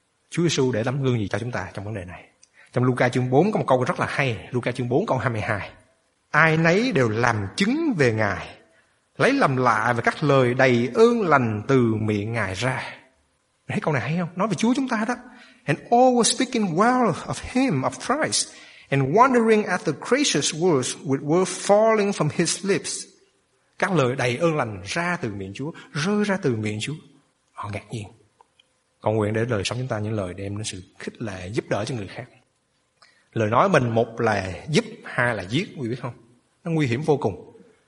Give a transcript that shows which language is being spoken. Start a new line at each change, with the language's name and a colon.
Vietnamese: Chúa Giêsu để tấm gương gì cho chúng ta trong vấn đề này? Trong Luca chương 4 có một câu rất là hay. Luca chương 4 câu 22: ai nấy đều làm chứng về Ngài, lấy làm lạ về các lời đầy ơn lành từ miệng Ngài ra. Mình thấy câu này hay không? Nói về Chúa chúng ta đó.
English: And all were speaking well of him, of Christ, and wondering at the gracious words which were falling from his lips.
Vietnamese: các lời đầy ơn lành ra từ miệng Chúa, rơi ra từ miệng Chúa. Họ ngạc nhiên. Cầu nguyện để đời sống chúng ta những lời đem đến sự khích lệ, giúp đỡ cho người khác. Lời nói mình một là giúp, hai là giết, quý vị biết không? Nó nguy hiểm vô cùng.